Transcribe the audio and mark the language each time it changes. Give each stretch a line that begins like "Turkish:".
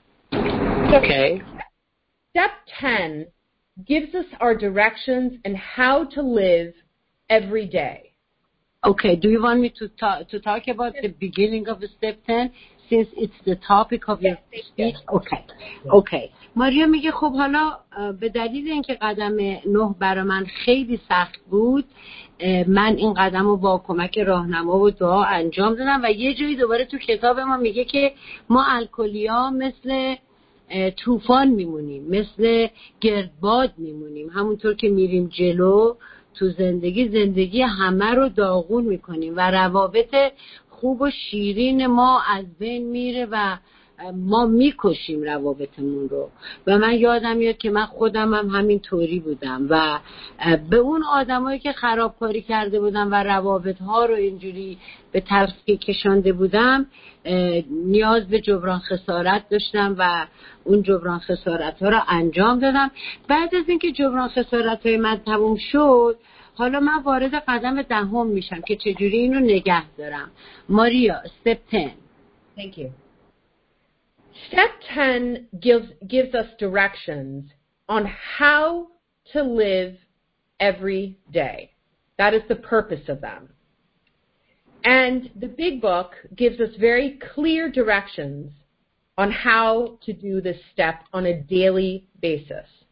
English: So okay. Step 10 gives us our directions and how to live every day. Okay, do you want me to talk about the beginning of step 10 since it's the topic of your speech? Okay. Okay.
Persian: Maria میگه خب حالا به دلیل اینکه قدم 9 برای من خیلی سخت بود، من این قدم رو با کمک راهنما و دعا انجام دادم و یه جایی دوباره تو کتاب ما میگه که ما الکلی‌ها مثل طوفان میمونیم، مثل گردباد میمونیم، همونطور که میریم جلو تو زندگی همه رو داغون میکنیم و روابط خوب و شیرین ما از بین میره و ما میکشیم روابطمون رو. و من یادم میاد که من خودم هم همین طوری بودم و به اون آدمایی که خرابکاری کرده بودم و روابط ها رو اینجوری به تلخی کشانده بودم نیاز به جبران خسارت داشتم و اون جبران خسارت ها رو انجام دادم. بعد از اینکه جبران خسارت های من تموم شد، حالا من وارد قدم دهم میشم که چجوری اینو نگه دارم.
English: Maria, step 10. Thank you. Step 10 gives us directions on how to live every day. That is the purpose of them. And the big book gives us very clear directions on how to do this step on a daily basis.